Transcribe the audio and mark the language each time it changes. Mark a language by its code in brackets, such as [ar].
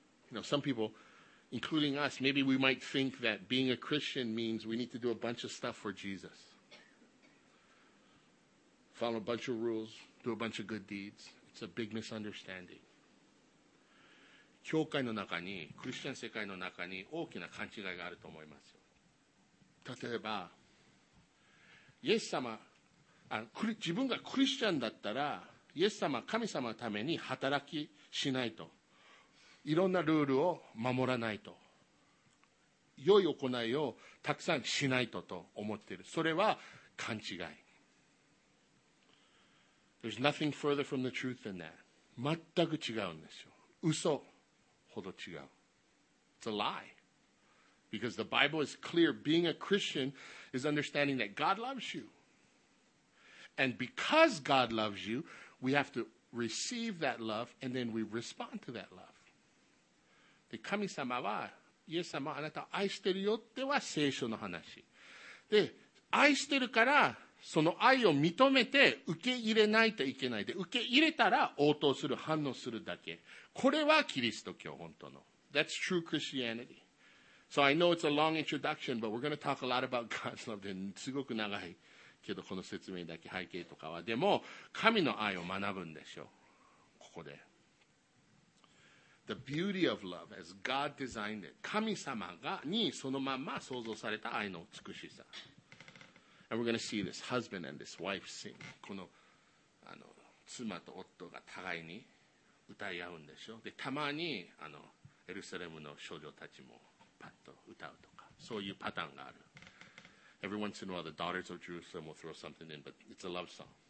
[en] You know, some people, including us, maybe we might think that being a Christian means we need to do a bunch of stuff for Jesus. Follow a bunch of rules, do a bunch of good deeds. It's a big misunderstanding. [ja] 教会の中に、クリスチャン世界の中に大きな勘違いがあると思いますよ。例えば、イエス様、自分がクリスチャンだったら、イエス様、神様のために働きしないと。いろんなルールを守らないと。良い行いをたくさんしないとと思っている。それは勘違い。 [en] There's nothing further from the truth than that. [ja] 全く違うんですよ。嘘ほど違う。 [en] It's a lie. Because the Bible is clear, being a Christian is understanding that God loves you. And because God loves you, we have to receive that love and then we respond to that love. [ja] で、神様は、イエス様、あなたを愛してるよっては聖書の話。で、愛してるから、その愛を認めて受け入れないといけない。で、受け入れたら応答する、反応するだけ。これはキリスト教、本当の。 [en] That's true Christianity. So I know it's a long introduction, but we're going to talk a lot about God's love. [ja] で、すごく長いけど、この説明だけ背景とかは。でも、神の愛を学ぶんでしょう。ここで。 [en] The beauty of love as God designed it. [ja] 神様がにそのまま創造された愛の美しさ。 [en] And we're going to see this husband and this wife sing. [ja] この、妻と夫が互いに歌い合うんでしょう。で、たまに、エルサレムの少女たちも。パッと歌うとか、そういうパターンがある。 [en] Every once in a while, the daughters of Jerusalem will throw something in, but it's a love song.